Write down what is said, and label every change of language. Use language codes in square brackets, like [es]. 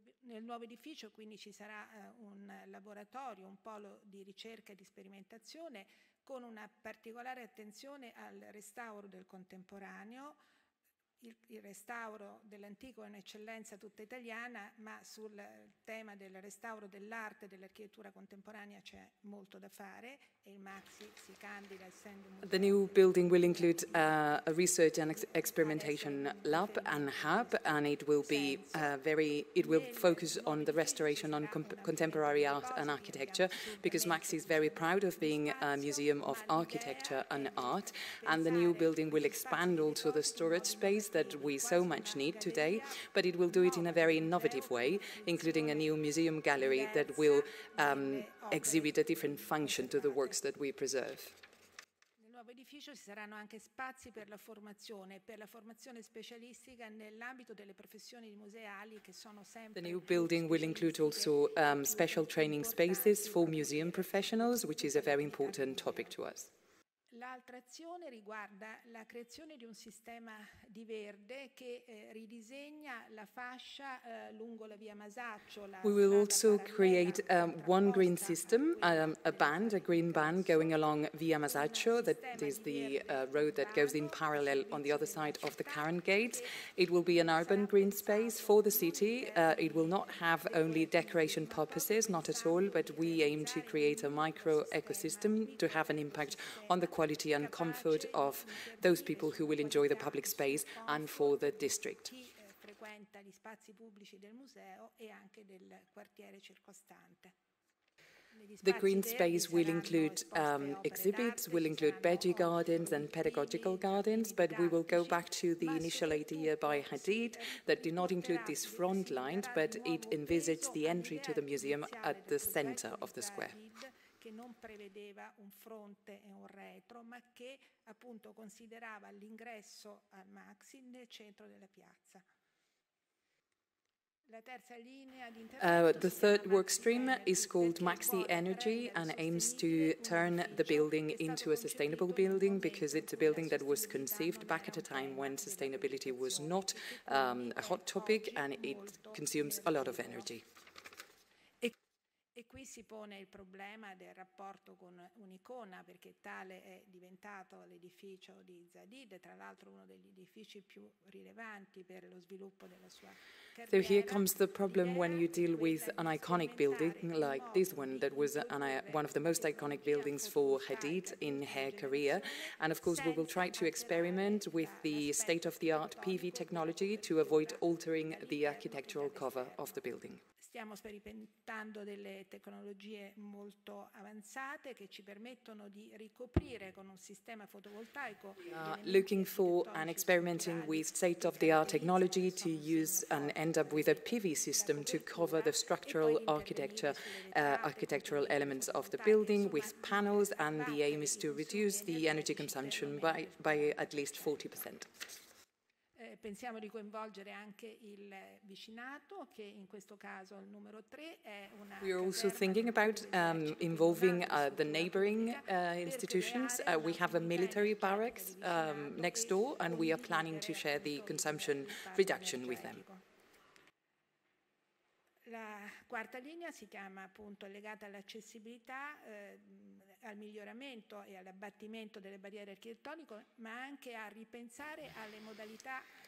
[it] Nel nuovo edificio quindi ci sarà un laboratorio, un polo di ricerca e di sperimentazione con una particolare attenzione al restauro del contemporaneo. Il restauro dell'antico è un'eccellenza tutta italiana, ma sul tema del restauro dell'arte e dell'architettura contemporanea c'è molto da fare e il MAXXI si candida essendo molto. [en] The new building will include a research and experimentation lab and hub, and it will be it will focus on the restoration on contemporary art and architecture, because MAXXI is very proud of being a museum of architecture and art, and the new building will expand also the storage space that we so much need today, but it will do it in a very innovative way, including a new museum gallery that will exhibit a different function to the works that we preserve. [it] Nel nuovo edificio ci saranno anche spazi per la formazione specialistica nell'ambito delle professioni museali che sono sempre. [en] The new building will include also special training spaces for museum professionals, which is a very important topic to us. [it] L'altra azione riguarda la creazione di un sistema di verde che ridisegna la fascia lungo la via Masacciola. [en] We will also create one green system, a green band going along via Masaccio, that is the road that goes in parallel on the other side of the current gate. It will be an urban green space for the city. It will not have only decoration purposes, not at all, but we aim to create a micro ecosystem to have an impact on the quality and comfort of those people who will enjoy the public space and for the district. [it] Frequenta gli spazi pubblici del museo e anche del quartiere circostante. [en] The green space will include exhibits, will include veggie gardens and pedagogical gardens, but we will go back to the initial idea by Hadid that did not include this front line, but it envisaged the entry to the museum at the center of the square. [it] Che non prevedeva un fronte e un retro, ma che appunto considerava l'ingresso al MAXXI nel centro della piazza. [en] The third work stream is called MAXXI Energy and aims to turn the building into a sustainable building, because it's a building that was conceived back at a time when sustainability was not a hot topic and it consumes a lot of energy. [it] E qui si pone il problema del rapporto con un'icona, perché tale è diventato l'edificio di Zadid, tra l'altro uno degli edifici più rilevanti per lo sviluppo della sua carriera. [en] So here comes the problem when you deal with an iconic building like this one, that was one of the most iconic buildings for Hadid in her career. And of course we will try to experiment with the state-of-the-art PV technology to avoid altering the architectural cover of the building. [it] Stiamo sperimentando delle tecnologie molto avanzate che ci permettono di ricoprire con un sistema fotovoltaico. [en] Looking for and experimenting with state-of-the-art technology to use and end up with a PV system to cover the structural architecture, architectural elements of the building with panels, and the aim is to reduce the energy consumption by at least 40%. [it] Pensiamo di coinvolgere anche il vicinato, che in questo caso il numero 3 è una. [en] We are also thinking about involving the neighboring institutions. We have a military barracks next door, and we are planning to share the consumption reduction with them. [it] La quarta linea si chiama appunto legata all'accessibilità, al miglioramento e all'abbattimento delle barriere architettoniche, ma anche a ripensare alle modalità.